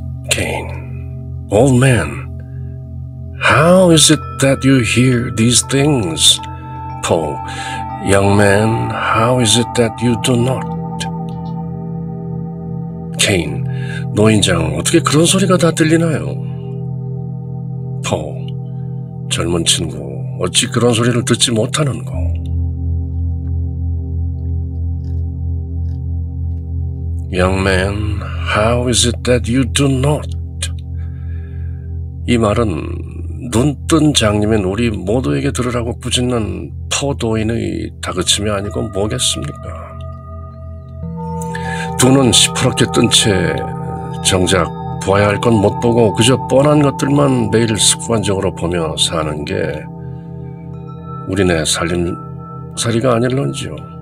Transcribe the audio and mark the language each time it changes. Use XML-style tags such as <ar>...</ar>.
<en>케인, Old man, how is it that you hear these things? Poe, young man, how is it that you do not?</en> <ko>케인, 노인장, 어떻게 그런 소리가 다 들리나요? Poe, 젊은 친구, 어찌 그런 소리를 듣지 못하는고?</ko> <en>영맨, how is it that you do not?</en> <ko>이 말은 눈뜬 장님인 우리 모두에게 들으라고 꾸짖는 포도인의 다그침이 아니고 뭐겠습니까? 두 눈 시퍼렇게 뜬 채 정작 봐야 할 건 못 보고 그저 뻔한 것들만 매일 습관적으로 보며 사는 게 우리네 살림살이가 아닐런지요.</ko>